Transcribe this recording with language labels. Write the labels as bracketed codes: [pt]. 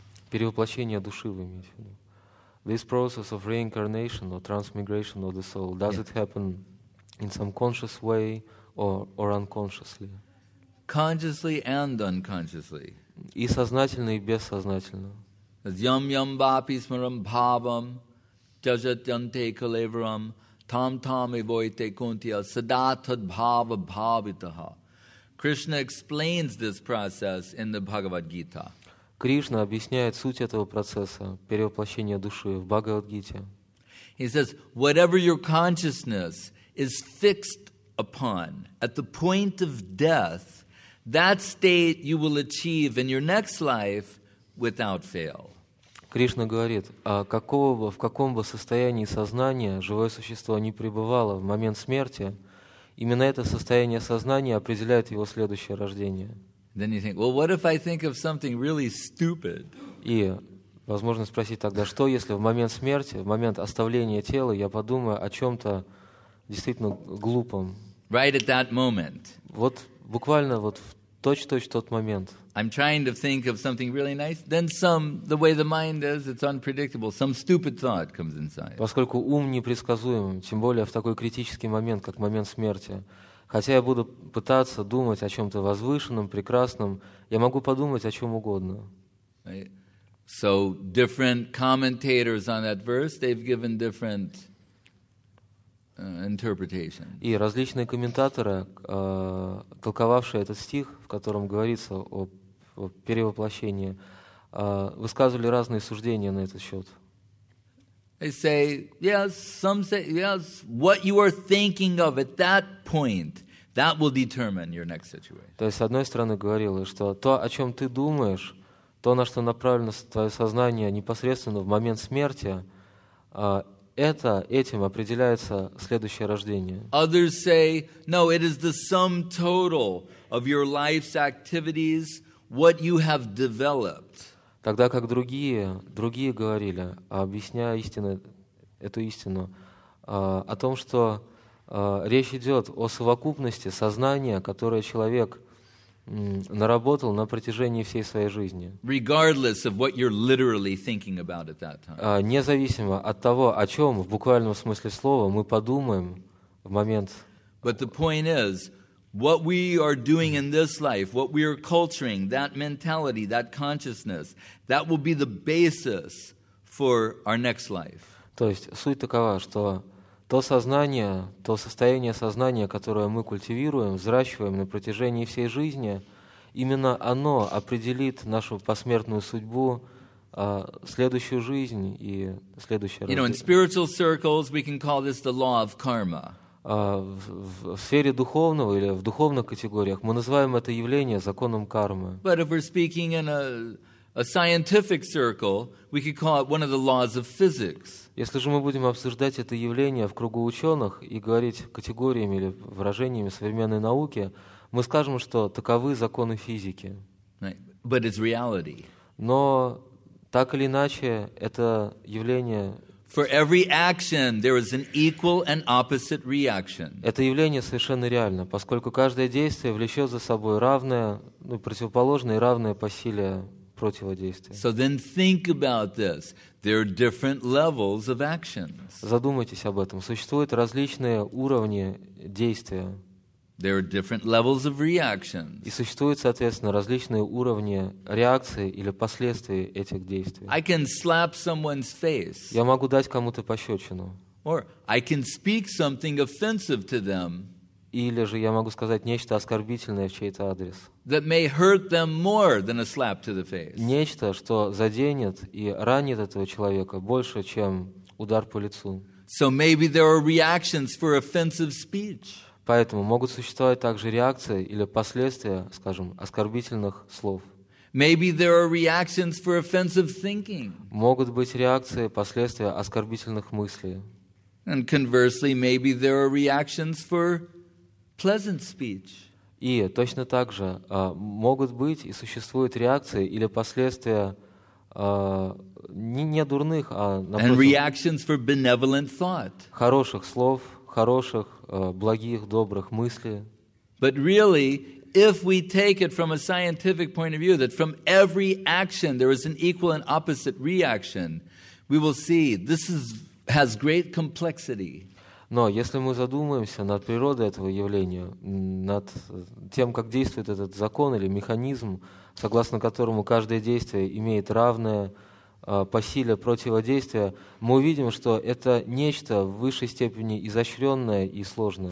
[ru] Перевоплощение души, вы имеете в виду. [en] This process of reincarnation or transmigration of the soul, does it happen in some conscious way or unconsciously? Consciously and unconsciously. [ru] И сознательно, и бессознательно. [sa] Yam yam vapi smaram bhavam jajatyante kalevaram tam tam evoite kuntiya sadatad bhava bhavitaha. [en] Krishna explains this process in the Bhagavad Gita. [ru] Кришна объясняет суть этого процесса перевоплощения души в Бхагавад-гите. [en] He says, whatever your consciousness is fixed upon at the point of death, that state you will achieve in your next life without fail. [ru] Кришна говорит, в каком бы состоянии сознания живое существо ни пребывало в момент смерти, именно это состояние сознания определяет его следующее рождение. [en] Then you think, well, what if I think of something really stupid? [ru] И возможно спросить тогда, что если в момент смерти, в момент оставления тела, я подумаю о чем-то действительно глупом? [en] Right at that moment. [ru] Вот буквально вот в точь-точь тот момент. [en] I'm trying to think of something really nice. Then the way the mind is, it's unpredictable. Some stupid thought comes inside. [ru] Поскольку ум непредсказуем, тем более в такой критический момент, как момент смерти, хотя я буду пытаться думать о чем-то возвышенном, прекрасном, я могу подумать о чем угодно. [en] So different commentators on that verse, they've given different interpretation. [ru] И различные комментаторы, толковавшие этот стих, в котором говорится о перевоплощении, высказывали разные суждения на этот счет. [en] They say, yes, some say, yes, what you are thinking of at that point, that will determine your next situation. [ru] То есть, с одной стороны, говорилось, что то, о чем ты думаешь, то, на что направлено твое сознание непосредственно в момент смерти, этим определяется следующее рождение. [en] Others say, no, it is the sum total of your life's activities, what you have developed. [ru] Тогда как другие говорили, объясняя эту истину, о том, что речь идет о совокупности сознания, которое человек наработал на протяжении всей своей жизни. [en] Regardless of what you're literally thinking about at that time. [ru] Независимо от того, о чем в буквальном смысле слова мы подумаем в момент. [en] But the point is, what we are doing in this life, what we are culturing, that mentality, that consciousness, that will be the basis for our next life. [ru] То есть суть такова, что то сознание, то состояние сознания, которое мы культивируем, взращиваем на протяжении всей жизни, именно оно определит нашу посмертную судьбу, следующую жизнь и следующее рождение. [en] You know, in spiritual circles we can call this the law of karma. [ru] В сфере духовного или в духовных категориях мы называем это явление законом кармы. [en] But if we're speaking in a scientific circle, we could call it one of the laws of physics. [ru] Если же мы будем обсуждать это явление в кругу ученых и говорить категориями или выражениями современной науки, мы скажем, что таковы законы физики. [en] Right. But it's reality. [ru] Но так или иначе, это явление. [en] For every action, there is an equal and opposite reaction. [ru] Это явление совершенно реально, поскольку каждое действие влечет за собой равное, ну, противоположное и равное по силе противодействие. [en] So then think about this. There are different levels of actions. [ru] Задумайтесь об этом. Существуют различные уровни действия. [en] There are different levels of reactions. [ru] И существуют, соответственно, различные уровни реакции или последствий этих действий. [en] I can slap someone's face. [ru] Я могу дать кому-то пощечину. [en] Or I can speak something offensive to them. [ru] Или же я могу сказать нечто оскорбительное в чей-то адрес. [en] That may hurt them more than a slap to the face. [ru] Нечто, что заденет и ранит этого человека больше, чем удар по лицу. [en] So maybe there are reactions for offensive speech. [ru] Поэтому могут существовать также реакции или последствия, скажем, оскорбительных слов. [en] Maybe there are reactions for offensive thinking. [ru] Могут быть реакции, последствия оскорбительных мыслей. [en] And conversely, maybe there are reactions for pleasant speech. [ru] И точно так же могут быть и существуют реакции или последствия не дурных, а напротив, [en] and reactions for benevolent thought. [ru] Хороших слов, хороших, благих, добрых мыслей. [en] But really, if we take it from a scientific point of view, that from every action there is an equal and opposite reaction, we will see this is, has great complexity. [ru] Но если мы задумаемся над природой этого явления, над тем, как действует этот закон или механизм, согласно которому каждое действие имеет равное по силе противодействия, мы увидим, что это нечто в высшей степени изощренное и сложное.